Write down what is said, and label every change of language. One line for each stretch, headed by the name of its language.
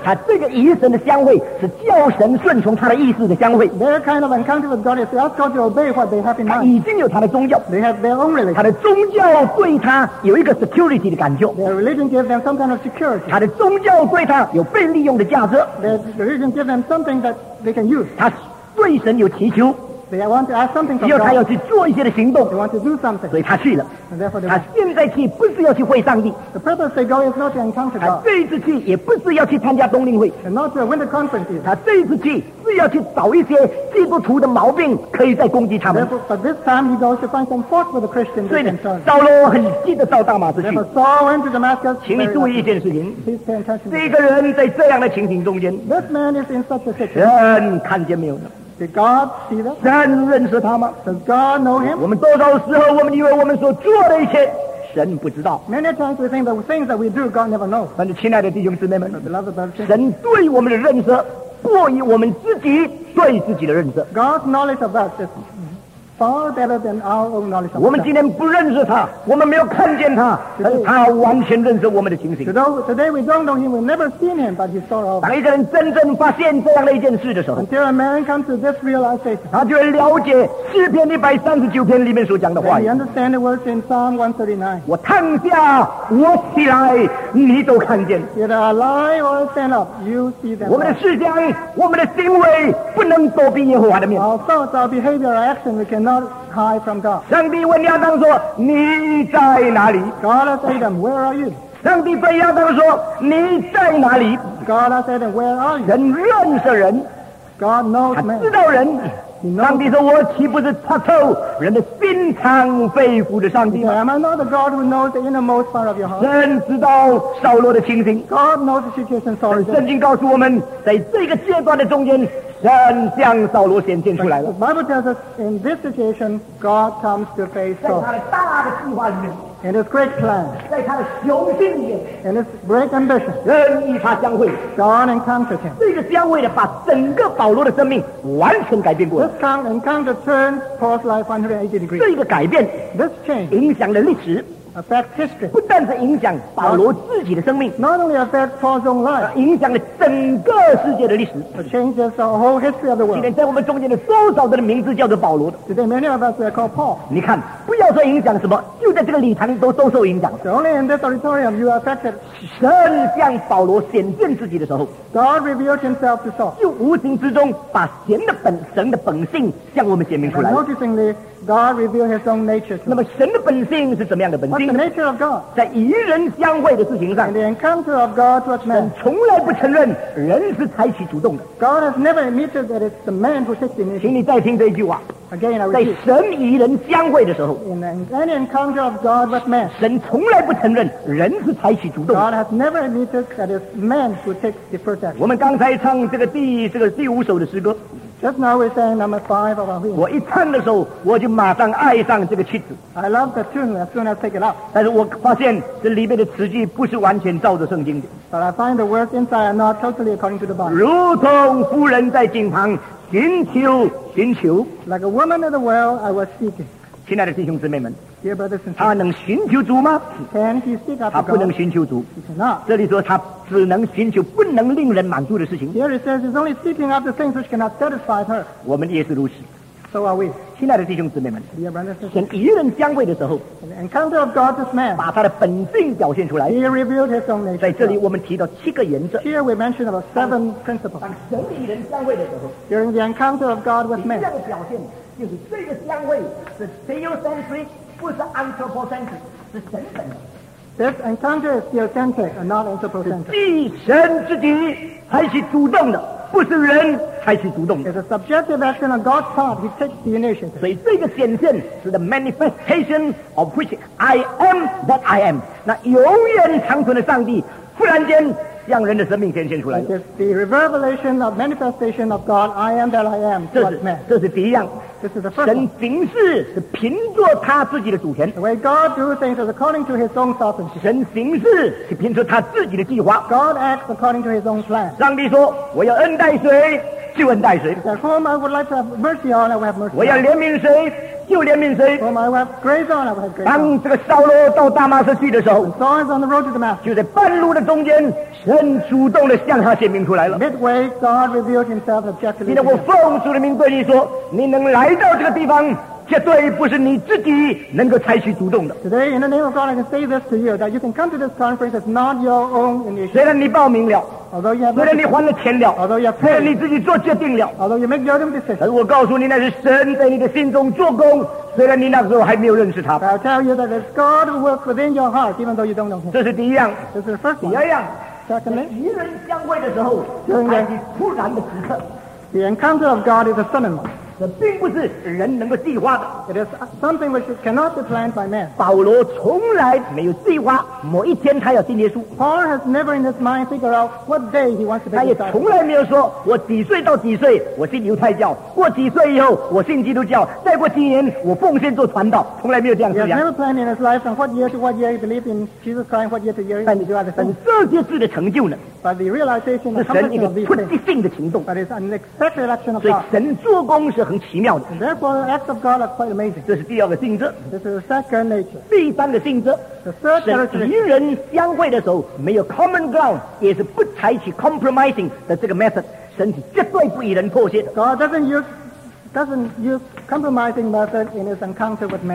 Chinese: 他这个与神的相会是叫神顺从他的意思的相会。
English: Their kind of encounter with God is to ask God to obey what they have in mind.
Chinese: 他已经有他的宗教。
English: They have their own religion.
Chinese: 他的宗教对他有一个 security 的感觉。
English: Their religion gives them some kind of security.
Chinese: 他的宗教对他有被利用的价值。
English: Their religion gives them something that they can use.
Chinese: 他对神有祈求。
English: They want to ask something from God.
Chinese: 只有他要去做一些的行动。
English: They want to do something.
Chinese: 所以他去了。
English: And therefore,
Chinese: 他现在去不是要去会上帝。
English: The purpose they go is not to encounter God.
Chinese: 他这一次去也不是要去参加冬令会。
English: And not to win the conference.
Chinese: 他这一次去是要去找一些基督徒的毛病，可以再攻击他们。
English: Therefore, but this time he goes to find some fault with the Christian.
Chinese: 所以呢，扫罗很急的到大马士去。
English: Therefore, Saul went to Damascus.
Chinese: 请你注意一件事情。
English: Please pay attention.
Chinese: 这个人在这样的情形中间。
English: This man is in such a situation.
Chinese: 神看见没有呢？
English: Did God see that?
Chinese: 神认识他吗?
English: Does God know him?
Chinese: 我们多少时候我们以为我们所做的一切神不知道。
English: Many times we think that the things that we do, God never knows.
Chinese: 但是亲爱的弟兄姊妹们,
English: beloved brothers,
Chinese: 神对我们的认识过于我们自己对自己的认识。
English: God's knowledge of us is far better than our own knowledge of us.
Chinese: 我们今天不认识他，我们没有看见他，但是他完全认识我们的情形。
English: Today we don't know him, we've never seen him, but he saw our own.
Chinese: 当一个人真正发现这样的一件事的时候，
English: Until a man comes to this realization,
Chinese: 他就会了解诗篇139篇里面所讲的话。
English: Then you understand the words in Psalm 139.
Chinese: 我躺下，我起来，你都看见。
English: Either I lie or I stand up, you see them.
Chinese: 我们的思想，我们的行为，不能躲避耶和华的面。
English: Our thoughts, our behavior, our action, we cannot hide from God.
Chinese: 上帝问亚当说：“你在哪里？”
English: God asked Adam, "Where are you?"
Chinese: 上帝对亚当说：“你在哪里？”
English: God asked Adam, "Where are you?"
Chinese: 人认识人，
English: God knows man.
Chinese: 他知道人。上帝说我岂不是查透人的心肠肺腑的上帝吗？
English: Am I not the God who knows the innermost part of your heart?
Chinese: 神知道扫罗的情形。
English: God knows the situation of Saul.
Chinese: 圣经告诉我们在这个阶段的中间神向扫罗显现出来了。
English: The Bible tells us in this situation God comes to face Saul.
Chinese: 在他的大的计划里面，
English: in his great plan,
Chinese: 在他的雄心里面,
English: in his great ambition,
Chinese: 人与他相会,
English: John encountered him.
Chinese: 这个相会的把整个保罗的生命完全改变过了。
English: This encounter turned Paul's life 180 degrees.
Chinese: 这个改变,
English: this change,
Chinese: 影响了历史,
English: affects history.
Chinese: 不但是影响保罗自己的生命,
English: not only affects Paul's own life,
Chinese: 影响了整个世界的历史,
English: it changes the whole history of the world.
Chinese: 今天在我们中间的多少人的名字叫做保罗的?
English: Today many of us are called Paul.
Chinese: 你看,不要说影响什么,就在这个礼堂都受影响。
English: So only in this auditorium you are affected.
Chinese: 神向保罗显现自己的时候，
English: God revealed himself to Saul.
Chinese: 就无形之中把神的本性向我们显明出来了。
English: And noticingly, God revealed his own nature to him.
Chinese: 那么神的本性是怎么样的本性？
English: What's the nature of God?
Chinese: 在与人相会的事情上，
English: In the encounter of God towards man.
Chinese: 神从来不承认人是采取主动的。
English: God has never admitted that it's the man who takes the initiative.
Chinese: 请你再听这一句话。
English: Again, I repeat.
Chinese: 在神与人相会的时候，
English: In any encounter of God with man,
Chinese: 神从来不承认人是采取主动。
English: God has never admitted that it's man who takes the first action.
Chinese: 我们刚才唱这个第五首的诗歌。
English: Just now we sang number 5 of our hymn.
Chinese: 我一唱的时候，我就马上爱上这个曲子。
English: I love the tune as soon as I take it up.
Chinese: 但是我发现这里面的词句不是完全照着圣经的。
English: But I find the words inside are not totally according to the Bible.
Chinese: 如同妇人在井旁寻求寻求。
English: Like a woman at the well, I was seeking.
Chinese: 亲爱的弟兄姊妹们。
English: Dear brothers and sisters.
Chinese: 他能寻求主吗？
English: Can he seek after God?
Chinese: 他不能寻求主。
English: He cannot.
Chinese: 这里说他只能寻求不能令人满足的事情。
English: Here he says he's only seeking after things which cannot satisfy her.
Chinese: 我们也是如此。
English: So are we.
Chinese: 亲爱的弟兄姊妹们。
English: Dear brothers and sisters.
Chinese: 神与人相会的时候。
English: In the encounter of God, this man.
Chinese: 把他的本性表现出来。
English: He revealed his own nature.
Chinese: 在这里我们提到七个原则。
English: Here we mention about 7 principles.
Chinese: 当神与人相会的时候。
English: During the encounter of God with man.
Chinese: 这样的表现就是这个相会是 theocentric. 不是 anthropocentric, 是神本的。
English: This encounter is theocentric and not anthropocentric.
Chinese: 是既神自己还是主动的，不是人还是主动的。
English: It's a subjective action on God's part, he takes the initiative.
Chinese: 所以这个显现是
English: the manifestation of which I am that I am.
Chinese: 那永远长存的上帝忽然间让人的生命显现出来了。
English: It's the revelation of manifestation of God, I am that I am, towards man.
Chinese: 这是第一样。
English: This is the first
Chinese: 神行事是凭着他自己的主权。
English: The way God do things is according to his own sovereignty.
Chinese: 神行事是凭着他自己的计划。
English: God acts according to his own plan.
Chinese: 上帝说我要恩待谁就恩待谁。
English: That whom I would like to have mercy on, I will have mercy on.
Chinese: 我要怜悯谁就怜悯谁。
English: Whom I will have grace on, I will have grace on.
Chinese: 当这个扫罗到大马士去的时候，
English: Saul is on the road to Damascus.
Chinese: 就在半路的中间，神主动地向他显明出来了。
English: Midway, God revealed himself objectively.
Chinese: 今天我奉主的名对你说，你能来到这个地方，绝对不是你自己能够采取主动的。
English: Today, in the name of God, I can say this to you, that you can come to this conference is not your own initiative.
Chinese: 虽然你报名了，
English: although you have,
Chinese: 虽然你还了钱了，
English: although you have paid,
Chinese: 虽然你自己做决定了，
English: although you make your own decision.
Chinese: 但是我告诉你，那是神在你的心中做工，虽然你那时候还没有认识他。
English: I'll tell you that it's God who works within your heart, even though you don't know him.
Chinese: 这是第一样。
English: This is the first one.
Chinese: 第二样。
English: Secondly,
Chinese: 与人相会的时候，就应该突然的时刻。
English: The encounter of God is a sudden one.
Chinese: 这并不是人能够计划的。
English: It is something which cannot be planned by man.
Chinese: 保罗从来没有计划某一天他要信耶稣。
English: Paul has never in his mind figured out what day he wants to be saved.
Chinese: 他也从来没有说，我几岁到几岁我信犹太教，过几岁以后我信基督教，再过几年我奉献做传道，从来没有这样想。
English: He has never planned in his life from what year to what year he believed in Jesus Christ, what year to year he do other things.
Chinese: 但这些事的成就呢？
English: But the realization of accomplishment of these things.
Chinese: 是神一个突击性的行动。
English: But it's an unexpected action of God.
Chinese: 所以神做工是很奇妙的。
English: And therefore, the acts of God are quite amazing.
Chinese: 这是第二个性质。
English: This is the second nature.
Chinese: 第三个性质。
English: The third characteristic.
Chinese: 神与人相会的时候，没有
English: common ground，
Chinese: 也是不采取 compromising 的这个 method， 神是绝对不与人妥协的。
English: God doesn't use compromising method in his encounter with man.